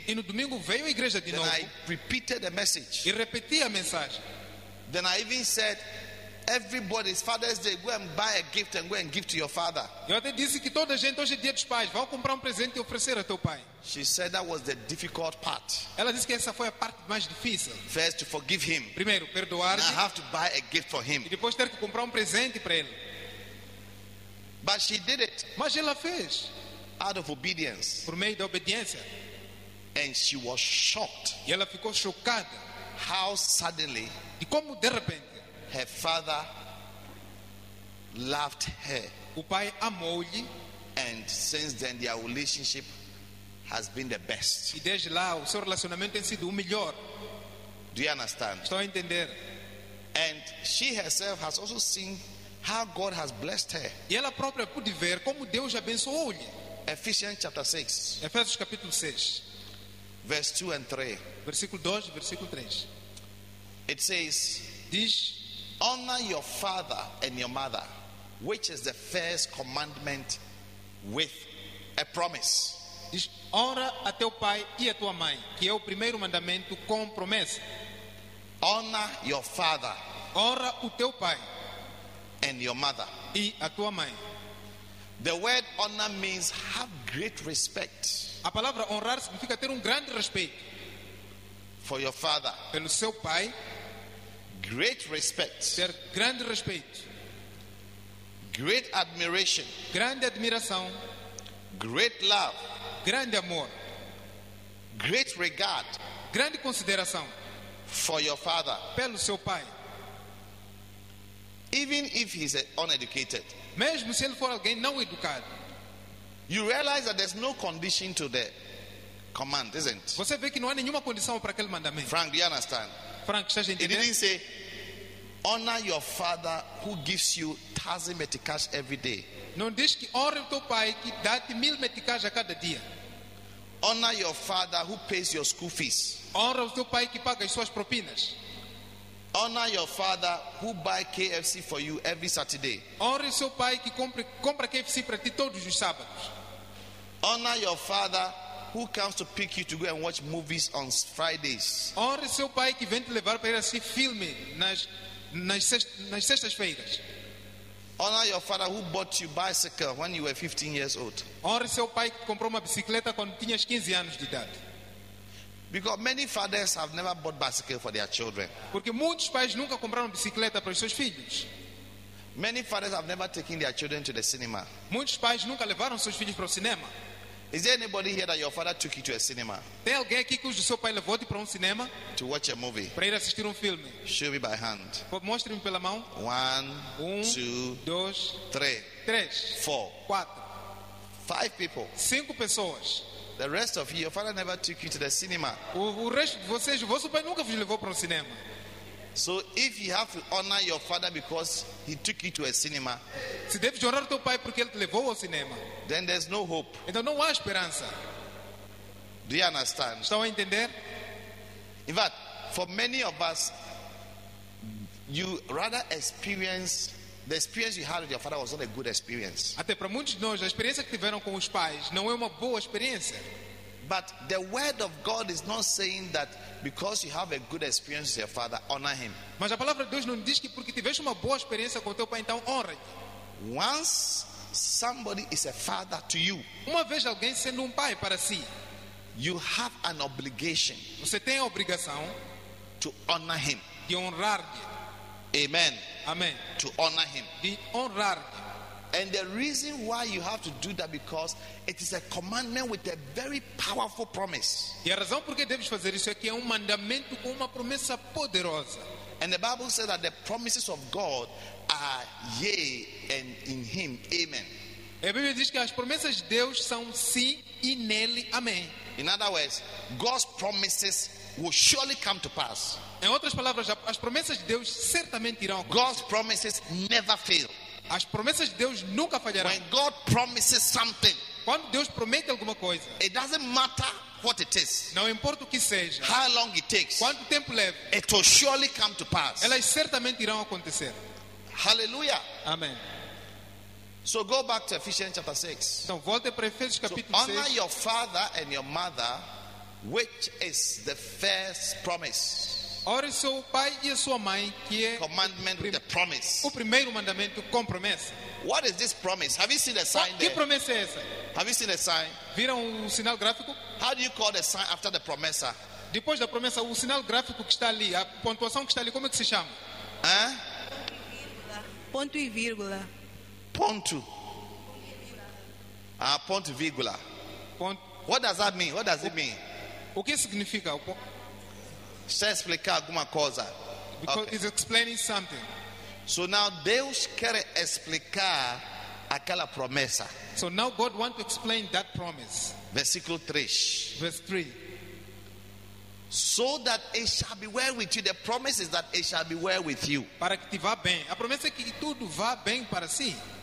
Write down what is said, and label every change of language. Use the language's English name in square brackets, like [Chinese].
[Portuguese] E no domingo veio à igreja de novo. [English] Then I repeated the message. [Portuguese] E repeti a mensagem. [English] Then I even said, everybody's Father's Day, go and buy a gift and go and give to your father. [Portuguese] Eu até disse que toda a gente hoje é dia dos pais, vá comprar presente e oferecer a teu pai. [English] She said that was the difficult part. [Portuguese] Ela disse que essa foi a parte mais difícil. [English] First to forgive him. [Portuguese] Primeiro perdoar. [English] And I have to buy a gift for him. [Portuguese] E depois ter que comprar presente para ele. [English] But she did it. [Portuguese] Mas ela fez. [English] Out of obedience. [Portuguese] Por meio da obediência. [English] And she was shocked. [Portuguese] E ela ficou chocada. [English] How suddenly. [Portuguese] E como de repente. [English] Her father loved her. [Portuguese] O pai amou-lhe. [English] And since then their relationship has been the best. [Portuguese] E desde lá o seu relacionamento tem sido o melhor. [English] Do you understand? [Portuguese] Estou a entender. [English] And she herself has also seen how God has blessed her. [Portuguese] E ela própria pôde ver como Deus abençoou-lhe. [English] Ephesians chapter 6. [Portuguese] Efésios capítulo 6. [English] Verse 2 and 3. [Portuguese] Versículo 2 e versículo 3. [English] It says, [Portuguese] diz, [English] honor your father and your mother, which is the first commandment with a promise. [Portuguese] Diz, honra a teu pai e a tua mãe, que é o primeiro mandamento com promessa. [English] Honor your father, [Portuguese] honra o teu pai, [English] and your mother, [Portuguese] e a tua mãe. [English] The word honor means have great respect. [Portuguese] A palavra honrar significa ter grande respeito. [English] For your father, [Portuguese] pelo seu pai. [English] Great respect. [Portuguese] Ter grande respeito. [English] Great admiration. [Portuguese] Grande admiração. [English] Great love. [Portuguese] Grande amor. [English] Great regard. [Portuguese] Grande consideração. [English] For your father. [Portuguese] Pelo seu pai. [English] Even if he's uneducated. [Portuguese] Mesmo se ele for alguém não educado. [English] You realize that there's no condition to the command, isn't it? [Portuguese] Você vê que não há nenhuma condição para aquele mandamento. [English] Frank, do you understand? He didn't say, honor your father who gives you 1,000 meticais every day. [Portuguese] Não diz que honre o teu pai que dá-te 1,000 meticais a cada dia. [English] Honor your father who pays your school fees. [Portuguese] Honra o teu pai que paga as suas propinas. [English] Honor your father who buy KFC for you every Saturday. [Portuguese] Honre o seu pai que compra KFC para ti todos os sábados. [English] Honor your father who comes to pick you to go and watch movies on Fridays. [Portuguese] Honre seu pai que vem te levar para ir assistir filme nas sextas-feiras. [English] Honor your father who bought you bicycle when you were 15 years old. [Portuguese] Honre seu pai que comprou uma bicicleta quando tinhas 15 anos de idade. [English] Because many fathers have never bought bicycle for their children. [Portuguese] Porque muitos pais nunca compraram bicicleta para os seus filhos. [English] Many fathers have never taken their children to the cinema. [Portuguese] Muitos pais nunca levaram seus filhos para o cinema. [English] Is there anybody here that your father took you to a cinema? [Portuguese] Tem alguém aqui que o seu pai levou-te para um cinema? [English] To watch a movie. [Portuguese] Para ir assistir filme. [English] Show me by hand. [Portuguese] Mostre-me pela mão. [English] One, two, [Portuguese] dois, três, [English] four, quatro, five people. [Portuguese] Cinco pessoas. [English] The rest of you, your father never took you to the cinema. [Portuguese] O resto de vocês, vosso pai nunca vos levou para um cinema. [English] So if you have to honor your father because he took you to a cinema, [Portuguese] se deves honrar teu pai porque ele te levou ao cinema, [English] then there's no hope. [Portuguese] Então não há esperança. [English] Do you understand? [Portuguese] Estão a entender? [English] In fact, for many of us, you rather experience the experience you had with your father was not a good experience. [Portuguese] Até para muitos de nós, a experiência que tiveram com os pais não é uma boa experiência. [English] But the word of God is not saying that because you have a good experience with your father, honor him. [Portuguese] Mas a palavra de Deus não diz que porque tiveste uma boa experiência com teu pai, então honra. [English] Once somebody is a father to you, [Portuguese] uma vez alguém sendo pai para si, [English] you have an obligation. [Portuguese] Você tem a obrigação [English] to honor him. [Portuguese] De honrar-lhe. [English] Amen. [Portuguese] Amen. [English] To honor him. [Portuguese] De honrar-lhe. [English] And the reason why you have to do that because it is a commandment with a very powerful promise. [Portuguese] E a razão por que deves fazer isso é que é mandamento com uma promessa poderosa. [English] And the Bible says that the promises of God are yea and in him. Amen. [Portuguese] A Bíblia diz que as promessas de Deus são sim e nele. Amém. [English] In other words, God's promises will surely come to pass. [Portuguese] Em outras palavras, as promessas de Deus certamente irão acontecer. [English] God's promises never fail. [Portuguese] As promessas de Deus nunca falharão. [English] When God promises something, [Portuguese] quando Deus promete alguma coisa, [English] it doesn't matter what it is. [Portuguese] Não importa o que seja. [English] How long it takes. [Portuguese] Quanto tempo leva. [English] It will surely come to pass. [Portuguese] Elas certamente irão acontecer. [English] Hallelujah. [Portuguese] Amen. [English] So go back to Ephesians chapter 6. [Portuguese] Então volte para Efésios capítulo 6. [English] Honor your father and your mother, which is the first promise. [Portuguese] Ore seu pai e sua mãe, que é [English] commandment with a promise. [Portuguese] O primeiro mandamento com promessa. [English] What is this promise? Have you seen the sign there? [Portuguese] Que promessa é essa? [English] Have you seen the sign? [Portuguese] Viram um sinal gráfico? [English] How do you call the sign after the promessa? [Portuguese] Depois da promessa, o sinal gráfico que está ali, a pontuação que está ali, como é que se chama? Hã? Ponto e vírgula. Ponto. Ah, ponto e vírgula. Ponto. [English] What does that mean? What does it mean? [Portuguese] O que significa o ponto? Se explicar alguma coisa. [English] Because okay. He's explaining something. So now [Portuguese] Deus quer explicar aquela promessa. [English] So now God wants to explain that promise. [Portuguese] Versículo 3. [English] Verse 3. So that it shall be well with you. The promise is that it shall be well with you. [Portuguese] Para que te vá bem. A promessa é que tudo vá bem para si.